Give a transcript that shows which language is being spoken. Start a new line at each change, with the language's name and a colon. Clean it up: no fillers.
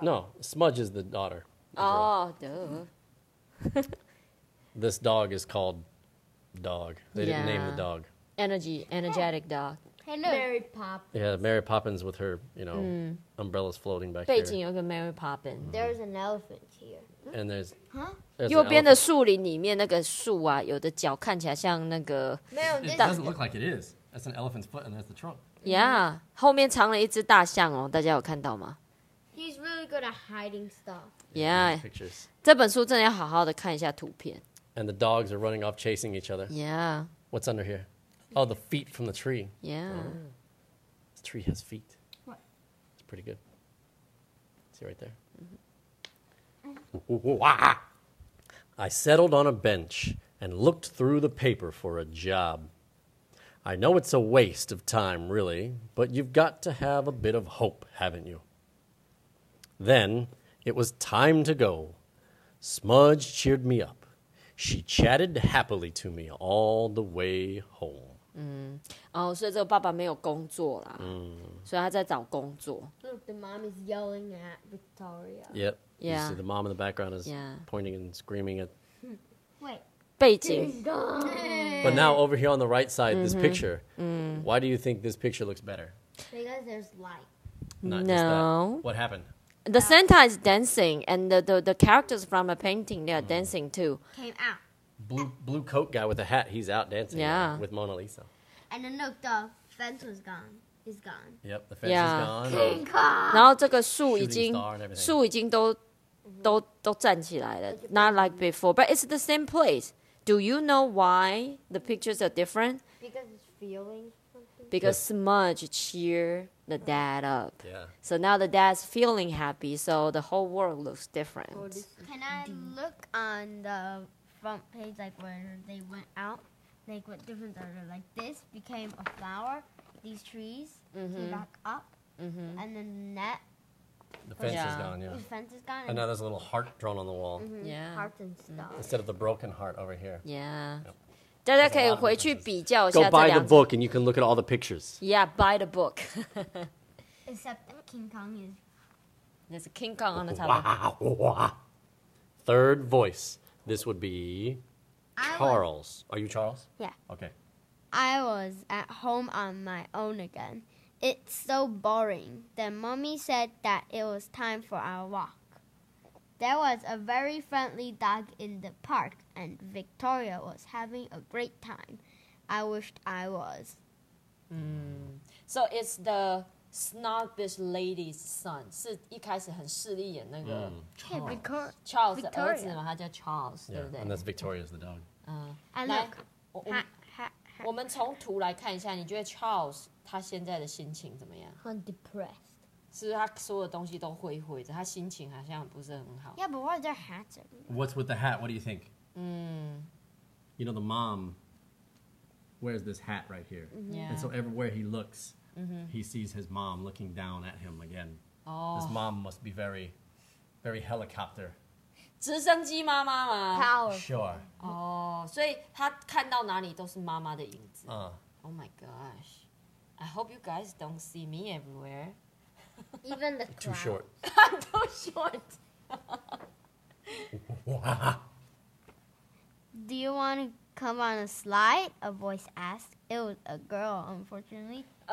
English: No, Smudge is the daughter. Oh, duh. This dog is called Dog. They didn't name the dog. Energetic dog. Hello. Mary Poppins. Yeah, Mary Poppins with her, you know, umbrellas floating back
Chinese: 背景有个 Mary Poppins.
English: There's an elephant here. And there's... Huh?
Chinese: 右边的树林里面那个树啊，有的脚看起来像那个...
English: It doesn't look like it is. That's an elephant's foot and there's the trunk.
Chinese: Yeah, 后面藏了一只大象哦，大家有看到吗？
English: He's really good at hiding stuff. Yeah. Pictures.
Chinese: 这本书真的要好好的看一下图片。
English: And the dogs are running off chasing each other. Yeah. What's under here? Oh, the feet from the tree. Yeah. Oh. This tree has feet. What? It's pretty good. See right there? I settled on a bench and looked through the paper for a job. I know it's a waste of time, really, but you've got to have a bit of hope, haven't you? Then it was time to go. Smudge cheered me up. She chatted happily to me all the way home.
Chinese: 哦，所以这个爸爸没有工作啦，所以他在找工作。
English: Look, the mom is yelling at Victoria. Yep. Yeah. You see the mom in the background is pointing and screaming at. Wait.
Chinese: 背景。
English: But now over here on the right side, this picture. Why do you think this picture looks better? Because there's light. Not just that. What happened? The Santa is dancing, and the characters from a painting they are dancing too. Came out. Blue coat guy with a hat, he's out dancing with Mona Lisa. And then look, the fence was gone. He's gone. Yep, the fence is gone. King Kong!
Chinese: 然后这个树已经都站起来了。
English: Not like before, but it's the same place. Do you know why the pictures are different? Because it's feeling something. Because yes. Smudge cheered the dad up. Yeah. So now the dad's feeling happy, so the whole world looks different. Can I look on the front page, like where they went out? Like what difference are there? Like this became a flower, these trees came back up, and then the net. The fence is gone, yeah. The fence is gone. And now there's a little heart drawn on the wall. Mm-hmm. Yeah. Heart and stuff. Instead of the broken heart over here. Yeah. Yep.
Chinese: 大家可以回去比较一下这两者。
English: Go buy the book and you can look at all the pictures. Yeah, buy the book. Except King Kong is... There's a King Kong on the top. Wow. Third voice. This would be... Charles. Are you Charles? Yeah. Okay. I was at home on my own again. It's so boring. Then Mommy said that it was time for our walk. There was a very friendly dog in the park, and Victoria was having a great time. I wished I was. Mm. So it's the snobbish lady's son.
Chinese: 是一开始很势利眼那个 Charles 的儿子嘛，他叫 Charles， 对不对？
English: And that's Victoria's the dog. And look,
Chinese: 我们从图来看一下，你觉得 Charles？ 他现在的心情怎么样? 很
English: depressed.
Chinese: 是不是他所有东西都灰灰的,他心情好像不是很好?
English: Yeah, but what is their hat? What's with the hat? What do you think? Mm. You know, the mom wears this hat right here. Mm-hmm. Yeah. And so everywhere he looks, he sees his mom looking down at him again. Oh. His mom must be very, very helicopter.
Chinese: 直升机妈妈吗?
English: Power. Sure.
Chinese: Oh, 所以他看到哪里都是妈妈的影子.
English: Oh my gosh. I hope you guys don't see me everywhere. Even the clouds. Too short. Too short. Do you want to come on a slide? A voice asked. It was a girl, unfortunately.